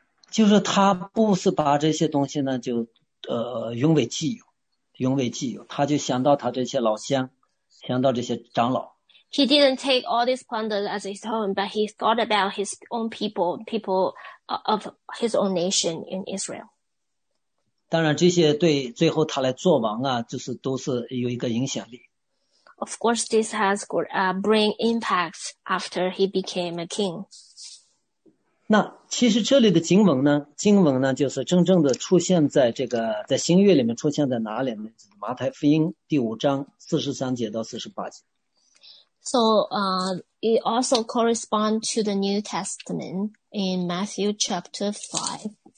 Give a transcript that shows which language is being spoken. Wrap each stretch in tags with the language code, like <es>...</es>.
<zh>就是他不是把这些东西呢就拥为己有，他就想到他这些老乡，想到这些长老。</zh> <en>He didn't take all these plunders as his own, but he thought about his own people of his own nation in Israel.</en> <zh>当然这些对最后他来做王啊，就是都是有一个影响力。</zh> <en>Of course, this has bring impact after he became a king.</en> <zh>那其实这里的经文呢就是真正的出现在这个在新约里面出现在哪里呢？就是马太福音第五章43节到48节。</zh> <en>So, it also corresponds to the New Testament in Matthew chapter 5.</en>